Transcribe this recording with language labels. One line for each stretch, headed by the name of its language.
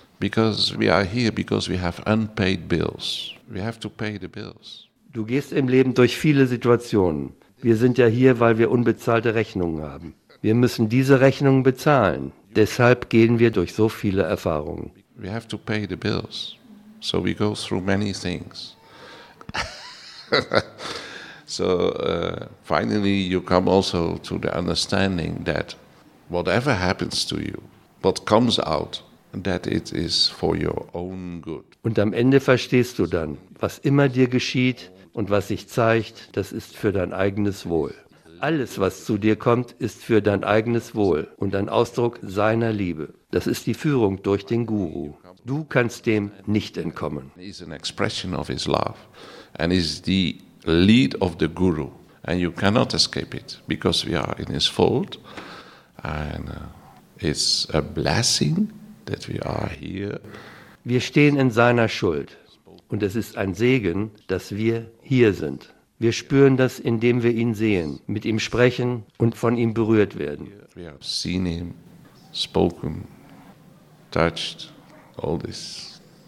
English: Because we are here because we have unpaid bills. We have to pay the bills.
German: Du gehst im Leben durch viele Situationen. Wir sind ja hier, weil wir unbezahlte Rechnungen haben. Wir müssen diese Rechnungen bezahlen. Deshalb gehen wir durch so viele Erfahrungen.
English: We have to pay the bills. So we go through many things. So finally you come also to the understanding that whatever happens to you, what comes out, that it is for your own good.
German: Und am Ende verstehst du dann, was immer dir geschieht und was sich zeigt, das ist für dein eigenes Wohl. Alles, was zu dir kommt, ist für dein eigenes Wohl und ein Ausdruck seiner Liebe. Das ist die Führung durch den Guru. Du kannst dem nicht entkommen.
English: Is an expression of his love and is the lead of the Guru, and you cannot escape it because we are in his fold, and it's a blessing that we are here.
German: Wir stehen in seiner Schuld und es ist ein Segen, dass wir hier sind. Wir spüren das, indem wir ihn sehen, mit ihm sprechen und von ihm berührt werden.
English: We have seen him, spoken, touched, all this.